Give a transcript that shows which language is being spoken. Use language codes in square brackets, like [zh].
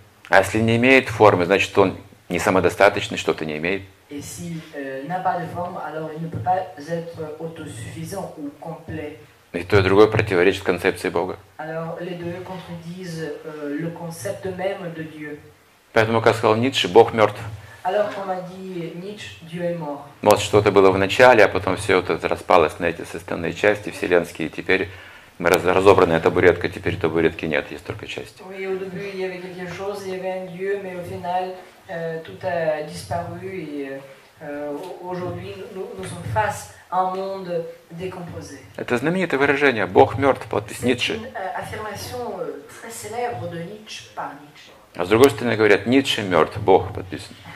[ru] А если не имеет формы, значит он не самодостаточный, что-то не имеет. И то, и другое противоречит концепции Бога. [fr] Alors, les deux contredisent le concept même de Dieu. [ru] Поэтому, как сказал Ницше, Бог мертв. [fr] Alors, comme a dit Nietzsche, Dieu est mort. [ru] Вот что-то было в начале, а потом все это распалось на эти составные части вселенские, и теперь Мы разобраны, табуретка, теперь табуретки нет, есть только части. [fr] Oui, au début, il y avait quelque chose, il y avait un lieu, mais au final, tout a disparu et aujourd'hui, nous sommes face à un monde décomposé. [ru] Это знаменитое выражение «Бог мертв», подпись Ницше. [fr] C'est une affirmation très célèbre de Nietzsche par Nietzsche. [ru] А с другой стороны говорят, Ницше мертв, Бог подписан.